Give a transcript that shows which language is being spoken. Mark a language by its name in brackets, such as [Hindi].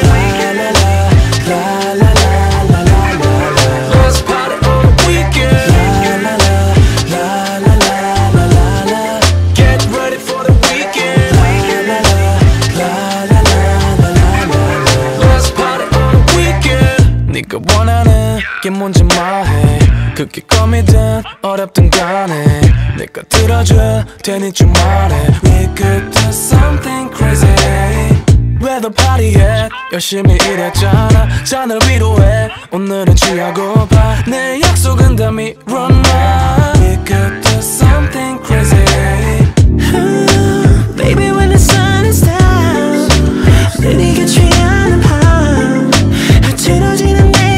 [English] La la la, la la la la la la la. Let's party all the weekend. La la la, la la la la la la la. Get ready for the weekend. La la la, la la la la la la. Let's party all the weekend. [Korean] 네가 원하는 게 뭔지 말해. 그게 꿈이든 어렵든 간에 내가 들어줘 되니 좀 말해. [English] We could do something crazy. Where the party at? [Korean] 열심히 일했잖아. 잔을 위로해. 오늘은 취하고 봐. 내 약속은 다 미뤄놔. [English] We could do something crazy. Ooh, baby when the sun is down. [Korean] 네가 취하는 밤 흐트러지는